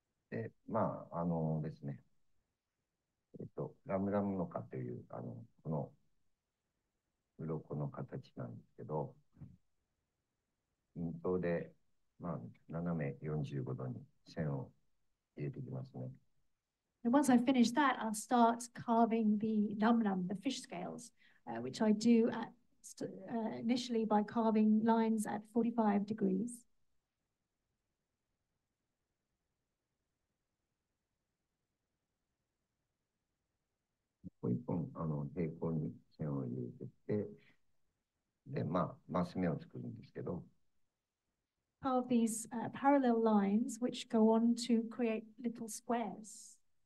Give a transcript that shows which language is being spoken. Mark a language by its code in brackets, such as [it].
[ja] で、まあ、あのですね。ラムラムの花という、あの、この鱗の形なんですけど、陰刀で、まあ、斜め45度に線を入れていきますね。 [en] And once I've finished that, I'll start carving the num-num, the fish scales, which I do at, initially by carving lines at 45 degrees. [ja] ここ一本、あの、平行に線を入れて、で、まあ、マス目を作るんですけど。 [en] Carve these parallel lines, which go on to create little squares.